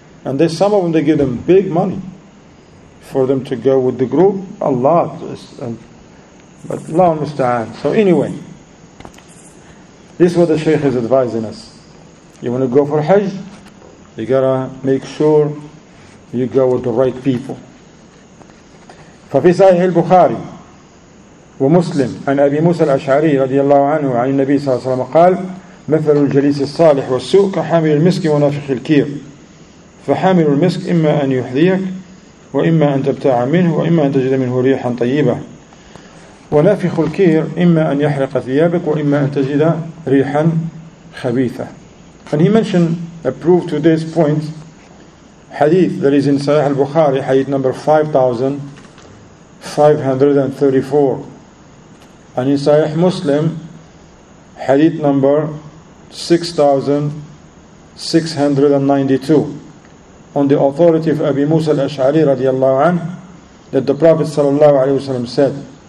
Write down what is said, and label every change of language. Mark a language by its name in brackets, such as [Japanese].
[English] And there's some of them, they give them big money for them to go with the group, a lot. But Allah musta'an. So anyway, this is what the Shaykh is advising us. You want to go for Hajj, you got to make sure you go with the right people. [Arabic] ففي صحيح البخاري ومسلم عن أبي موسى الأشعري رضي الله عنه عن النبي صلى الله عليه وسلم قال مثل الجليس الصالح والسوء كحامل المسك ونافخ الكير فحامل المسك إما أن يحذيك وإما أن تبتاع منه وإما أن تجد منه ريحا طيبة ونافخ الكير إما أن يحرق ثيابك وإما أن تجد ريحا خبيثة. [English] And he mentioned a proof to this point, hadith that is in Sahih al-Bukhari, hadith number 5534, and in Sahih Muslim, hadith number 6692, on the authority of Abi Musa al-Ash'ari radiallahu anhu, that the Prophet sallallahu alayhi wa sallam said,